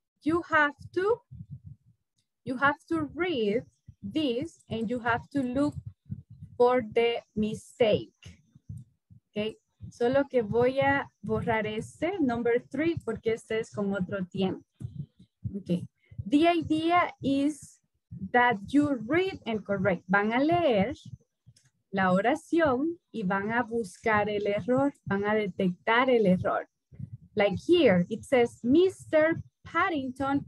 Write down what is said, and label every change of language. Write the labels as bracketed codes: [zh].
[en] You have to read this and you have to look for the mistake. [es] Okay, solo que voy a borrar este, [en] number three, [es] porque este es con otro tiempo. [en] Okay, the idea is that you read and correct. [es] Van a leer la oración y van a buscar el error, van a detectar el error. [en] Like here, it says Mr. Paddington.